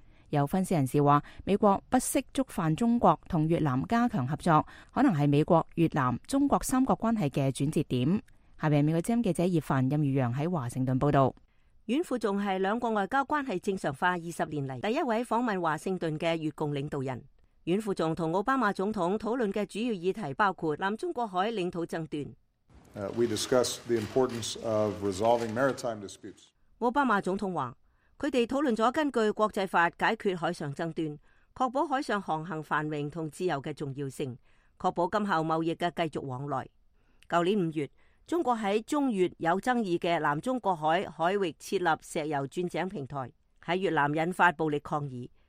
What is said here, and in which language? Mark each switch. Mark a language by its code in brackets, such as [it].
[zh] 有分析人士说，美国不惜触犯中国，和越南加强合作，可能是美国、越南、中国三国关系的转折点。下面美国之音记者叶凡、任宇阳在华盛顿报道。阮富仲是两国外交关系正常化20年来第一位访问华盛顿的越共领导人。阮富仲和奥巴马总统讨论的主要议题包括南中国海领土争端。 [en] We discussed the importance of resolving maritime disputes. [zh] 奥巴马总统说，他们讨论了根据国际法解决海上争端，确保海上航行繁荣和自由的重要性，确保今后贸易的继续往来。去年五月，中国在中越有争议的南中国海海域设立石油钻井平台，在越南引发暴力抗议。